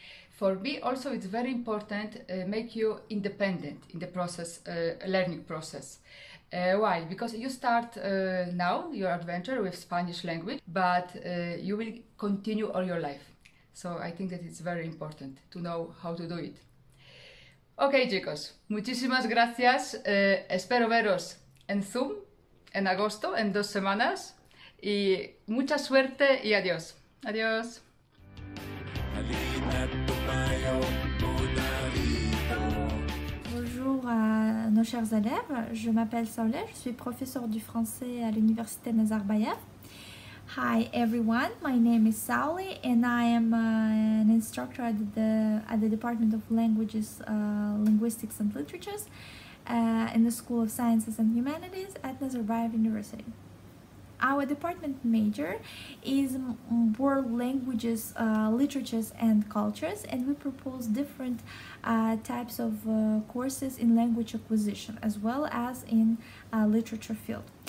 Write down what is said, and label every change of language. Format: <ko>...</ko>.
<en>For me also, it's very important to make you independent in the process, learning process. Why? Because you start now your adventure with Spanish language, but you will continue all your life. So I think that it's very important to know how to do it.</en> <es>Okay, chicos. Muchísimas gracias. Espero veros en Zoom en agosto, en 2 semanas. Y mucha suerte y adiós. Adiós.</es> <fr>Bonjour à nos chers élèves, je m'appelle Saulé, je suis professeure du français à l'université Nazarbayev.</fr> <en>Hi everyone, my name is Saulé and I am an instructor at the Department of Languages, Linguistics and Literatures in the School of Sciences and Humanities at Nazarbayev University. Our department major is World Languages, Literatures and Cultures, and we propose different types of courses in language acquisition as well as in literature field.</en>